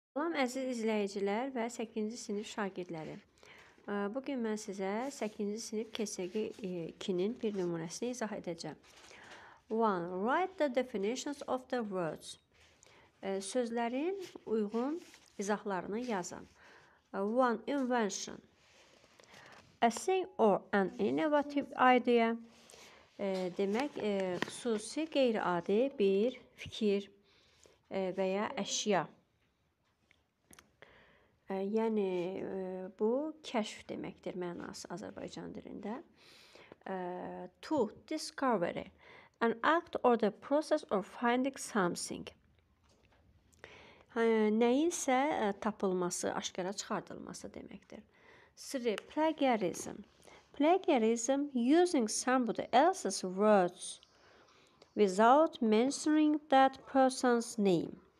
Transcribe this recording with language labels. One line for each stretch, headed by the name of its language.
Azerbaijani: Salam əziz izləyicilər və 8-ci sinif şagirdləri. Bu gün mən sizə 8-ci sinif keçirgi 2-nin bir nümunəsini izah edəcəm. 1.
English: Write the definitions of the words.
Azerbaijani: Sözlərin uyğun izahlarını yazın. 1. Invention.
English: A thing or an innovative idea.
Azerbaijani: Demək, xüsusi qeyri-adi bir fikir və ya əşya. Yəni, bu kəşf deməkdir mənası Azərbaycan dilində.
English: 2. Discovery. An act or the process of finding something.
Azerbaijani: Nəyinsə tapılması, aşkara çıxardılması deməkdir.
English: 3. Plagiarism. Plagiarism using somebody else's words without mentioning that person's name.